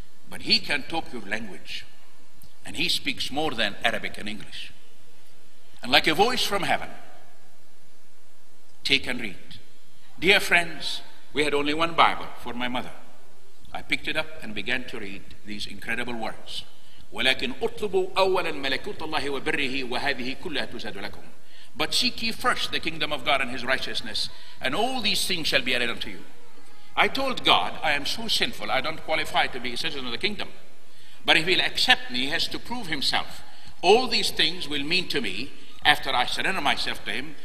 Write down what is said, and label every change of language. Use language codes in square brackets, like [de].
[en] But he can talk your language. And he speaks more than Arabic and English. And like a voice from heaven, take and read. Dear friends, we had only one Bible for my mother. I picked it up and began to read these incredible words. [ar] ولكن اطلبوا أولا ملكوت الله وبره وهذه كلها تزاد لكم. [en] But seek ye first the kingdom of God and his righteousness, and all these things shall be added unto you. I told God, I am so sinful, I don't qualify to be a citizen of the kingdom. But if he'll accept me, he has to prove himself. All these things will mean to me after I surrender myself to him.